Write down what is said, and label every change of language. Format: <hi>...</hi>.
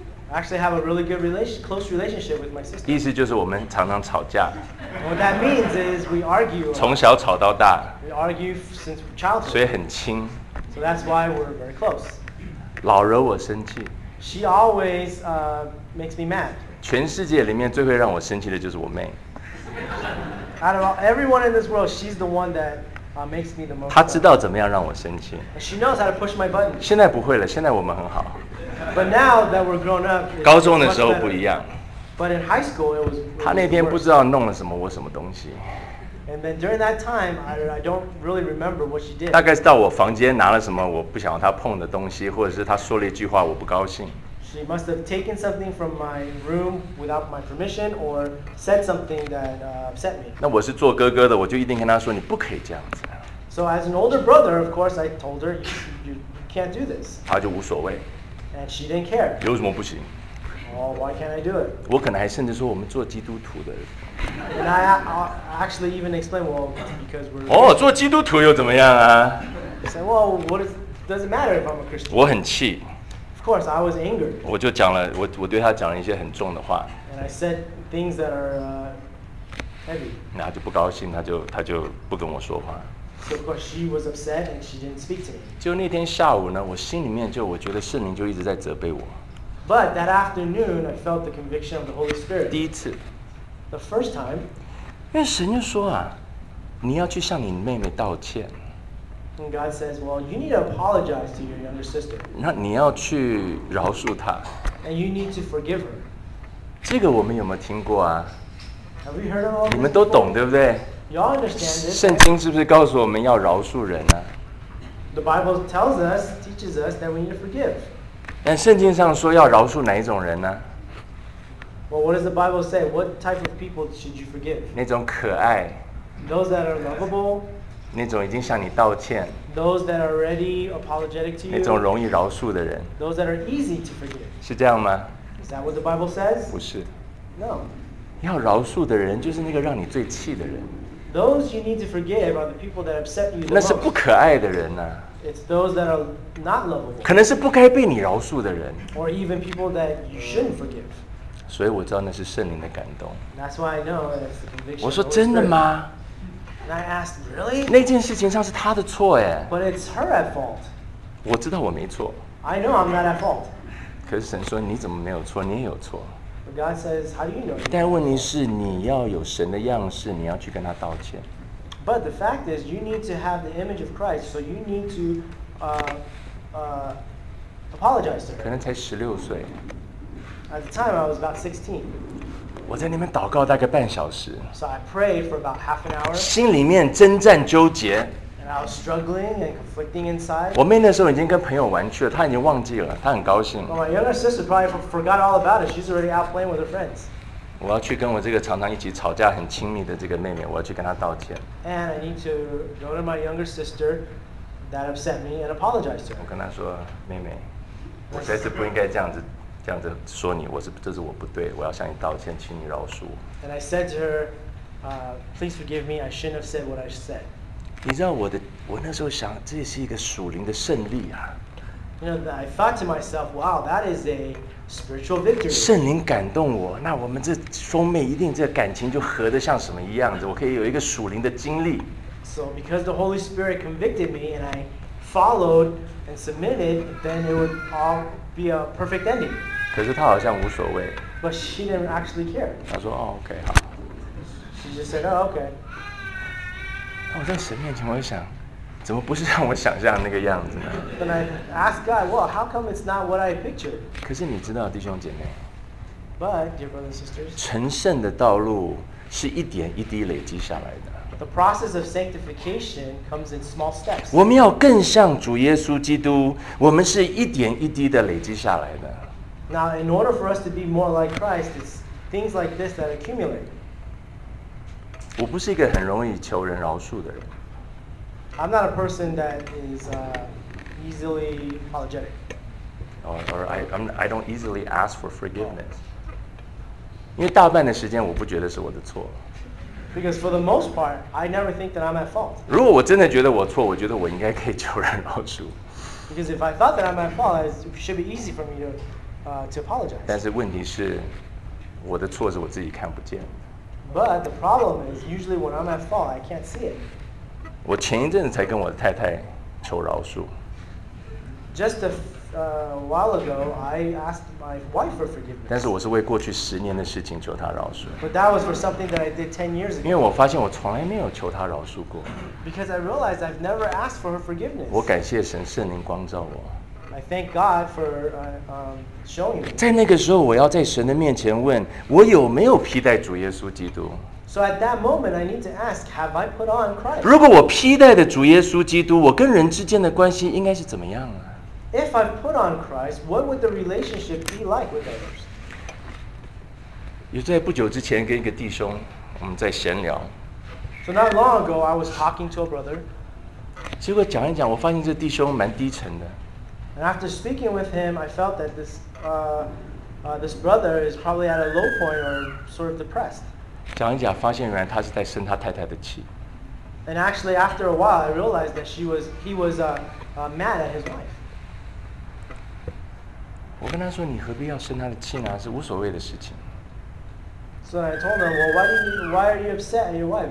<en>I actually have a really good close relationship with my sister.</en> <zh>意思就是我们常常吵架。</zh> <en>What that means is we argue.</en> <zh>从小吵到大。</zh> <en>We argue since childhood.</en> <zh>所以很亲。</zh> <en>So that's why we're very close.</en> <zh>老惹我生气。</zh> <en>She always makes me mad.</en> <zh>全世界里面最会让我生气的就是我妹。</zh> <en>Out of everyone in this world, she's the one that makes me the most.</en> <zh>她知道怎么样让我生气。</zh> <en>She knows how to push my button.</en> <zh>现在不会了，现在我们很好。</zh> <en>But now that we're grown up,</en> <zh>高中的时候不一样。</zh> <en>But in high school, it was.</en> <zh>她那天不知道弄了什么我什么东西。</zh> <en>And then during that time, I don't really remember what she did.</en> <zh>大概是到我房间拿了什么我不想要她碰的东西，或者是她说了一句话我不高兴。</zh> <en>She must have taken something from my room without my permission, or said something that upset me.</en> <zh>那我是做哥哥的，我就一定跟她说你不可以这样子。</zh> <en>So as an older brother, of course, I told her, you can't do this.</en> <zh>她就无所谓。</zh> <en>And she didn't care.</en> <zh>有什么不行？</zh> <en>Why can't I do it?</en> <zh>我可能还甚至说我们做基督徒的。</zh> <en>And I actually even explained, well, because we're...</en> <zh>哦，做基督徒又怎么样啊？</zh> <en>I said, well, what is, does it matter if I'm a Christian?</en> <zh>我很气。</zh> <en>Of course, I was angered.</en> <zh>我就讲了，我对他讲了一些很重的话。</zh> <en>And I said things that are heavy.</en> <zh>那他就不高兴，他就不跟我说话。</zh> <en>So of course she was upset and she didn't speak to me.</en> <zh>就那天下午呢，我心里面就我觉得圣灵就一直在责备我。</zh> <en>But that afternoon, I felt the conviction of the Holy Spirit.</en> <zh>第一次。</zh> <en>The first time.</en> <zh>因为神就说啊，你要去向你妹妹道歉。</zh> <en>And God says, well, you need to apologize to your younger sister.</en> <zh>那你要去饶恕她。</zh> <en>And you need to forgive her.</en> <zh>这个我们有没有听过啊？</zh> <en>Have you heard of all this?</en> <zh>你们都懂对不对？</zh> <en>Y'all understand it.</en> <zh>圣经是不是告诉我们要饶恕人呢、啊、</zh> <en>？The Bible tells us, teaches us that we need to forgive.</en> <zh>但圣经上说要饶恕哪一种人呢、啊、</zh> <en>？Well, what does the Bible say? What type of people should you forgive?</en> <zh>那种可爱。</zh> <en>Those that are lovable.</en> <zh>那种已经向你道歉。</zh> <en>Those that are ready apologetic to you.</en> <zh>那种容易饶恕的人。</zh> <en>Those that are easy to forgive.</en> <zh>是这样吗</zh> <en>？Is that what the Bible says?</en> <zh>不是。</zh> <en>No.</en> <zh>要饶恕的人就是那个让你最气的人。</zh> <en>Those you need to forgive are the people that upset you the most.</en> <zh>那是不可爱的人啊。</zh> <en>It's those that are not lovable.</en> <zh>可能是不该被你饶恕的人。</zh> <en>Or even people that you shouldn't forgive.</en> <zh>所以我知道那是圣灵的感动。</zh> <en>That's why I know that it's the conviction.</en> <zh>我说真的吗？</zh> <en>And I asked, really?</en> <zh>那件事情上是他的错耶。</zh> <en>But it's her at fault.</en> <zh>我知道我没错。</zh> <en>I know I'm not at fault.</en> <zh>可是神说你怎么没有错？你也有错。</zh> <en>God says, "How do you know?"</en> <zh>但问题是，你要有神的样式，你要去跟他道歉。</zh> <en>But the fact is, you need to have the image of Christ, so you need to apologize to her.</en> <zh>可能才十六岁。</zh> <en>At the time, I was about 16.</en> <zh>我在那边祷告大概半小时。</zh> <en>So I prayed for about half an hour.</en> <zh>心里面征战纠结。</zh> <en>And I was struggling and conflicting inside.</en> <zh>我妹那时候已经跟朋友玩去了，她已经忘记了，她很高兴。</zh> <en>Well, my younger sister probably forgot all about it. She's already out playing with her friends.</en> <zh>我要去跟我这个常常一起吵架很亲密的这个妹妹，我要去跟她道歉。</zh> <en>And I need to go to my younger sister that upset me and apologize to her.</en> <zh>我跟她说，妹妹，我实在是不应该这样子说你，这是我不对，我要向你道歉，请你饶恕。</zh> <en>And I said to her, please forgive me. I shouldn't have said what I said.</en> <zh>你知道我那时候想，这是一个属灵的胜利啊。</zh> <en>You know, I thought to myself, wow, that is a spiritual victory.</en> <zh>圣灵感动我，那我们这兄妹一定这感情就合得像什么一样子，我可以有一个属灵的经历。</zh> <en>So because the Holy Spirit convicted me and I followed and submitted, then it would all be a perfect ending.</en> <zh>可是她好像无所谓。</zh> <en>But she didn't actually care.</en> <zh>她说，哦，OK，好。</zh> <en>She just said, oh, OK.</en> <zh>我在神面前，我想，怎么不是让我想象那个样子呢</zh> <en>？Then I ask God, well, how come it's not what I pictured?</en> <zh>可是你知道，弟兄姐妹</zh> <en>，But dear brothers and sisters,</en> <zh>成圣的道路是一点一滴累积下来的。</zh> <en>The process of sanctification comes in small steps.</en> <zh>我们要更像主耶稣基督，我们是一点一滴的累积下来的。</zh> <en>Now, in order for us to be more like Christ, it's things like this that accumulate.</en> <zh>我不是一个很容易求人饶恕的人。</zh> <en>I'm not a person that is easily apologetic. Or I don't easily ask for forgiveness.</en> <zh>因为大半的时间我不觉得是我的错。</zh> <en>Because for the most part, I never think that I'm at fault.</en> <zh>如果我真的觉得我错，我觉得我应该可以求人饶恕。</zh> <en>Because if I thought that I'm at fault, it should be easy for me to apologize.</en> <zh>但是问题是，我的错是我自己看不见。</zh> <en>But the problem is, usually when I'm at fault, I can't see it.</en> <zh>我前一阵子才跟我的太太求饶恕。</zh> <en>Just a while ago, I asked my wife for forgiveness.</en> <zh>但是我是为过去十年的事情求她饶恕。</zh> <en>But that was for something that I did 10 years ago.</en> <zh>因为我发现我从来没有求她饶恕过。</zh> <en>Because I realized I've never asked for her forgiveness.</en> <zh>我感谢神，圣灵光照我。</zh> <en>I thank God for showing me.</en> <zh>在那个时候，我要在神的面前问我有没有披戴主耶稣基督。</zh> <en>So at that moment, I need to ask, have I put on Christ?</en> <zh>如果我披戴的主耶稣基督，我跟人之间的关系应该是怎么样啊</zh> <en>？If I put on Christ, what would the relationship be like with others?</en> <zh>有在不久之前跟一个弟兄我们在闲聊。</zh> <en>So not long ago, I was talking to a brother.</en> <zh>结果讲一讲，我发现这弟兄蛮低沉的。</zh> <en>And after speaking with him, I felt that this, this brother is probably at a low point or sort of depressed.</en> <zh>讲一讲，发现原来他是在生他太太的气。</zh> <en>And actually, after a while, I realized that he was mad at his wife.</en> <zh>我跟他说，你何必要生他的气呢？是无所谓的事情。</zh> <en>So I told him, well, why are you upset at your wife?</en>